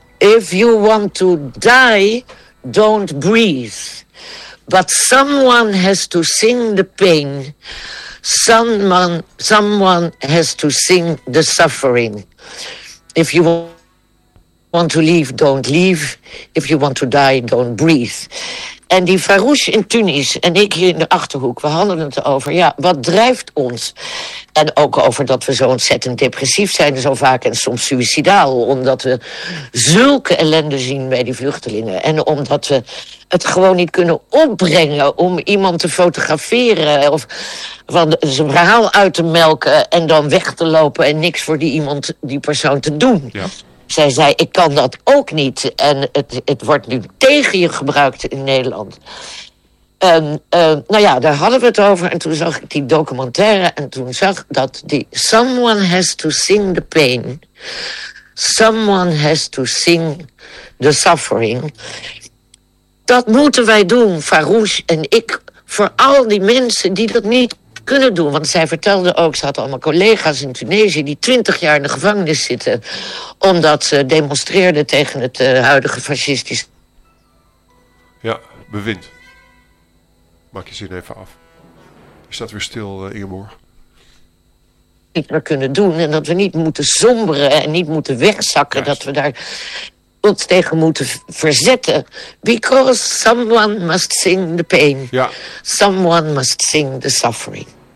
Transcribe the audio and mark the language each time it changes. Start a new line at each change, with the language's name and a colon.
English: If you want to die, don't breathe. But someone has to sing the pain. Someone has to sing the suffering. If you want to leave, don't leave. If you want to die, don't breathe.
Dutch: En die Farouche in Tunis en ik hier in de Achterhoek, we hadden het over, ja, wat drijft ons? En ook over dat we zo ontzettend depressief zijn zo vaak en soms suïcidaal, omdat we zulke ellende zien bij die vluchtelingen. En omdat we het gewoon niet kunnen opbrengen om iemand te fotograferen of van zijn verhaal uit te melken en dan weg te lopen en niks voor die persoon te doen. Ja. Zij zei, ik kan dat ook niet. En het wordt nu tegen je gebruikt in Nederland. Nou ja, daar hadden we het over. En toen zag ik die documentaire. En toen zag dat die
English: someone has to sing the pain. Someone has to sing the suffering.
Dutch: Dat moeten wij doen, Farouche en ik. Voor al die mensen die dat niet kunnen doen, want zij vertelde ook, ze had allemaal collega's in Tunesië die 20 jaar in de gevangenis zitten, omdat ze demonstreerden tegen het huidige fascistisch. Ja, bewind. Maak je zin even af. Je staat weer stil, Ingeborg. Niet meer kunnen doen en dat we niet moeten somberen en niet moeten wegzakken. Juist. Dat we daar ons tegen moeten verzetten.
English: Because someone must sing the pain.
Dutch: Ja.
English: Someone must sing the suffering.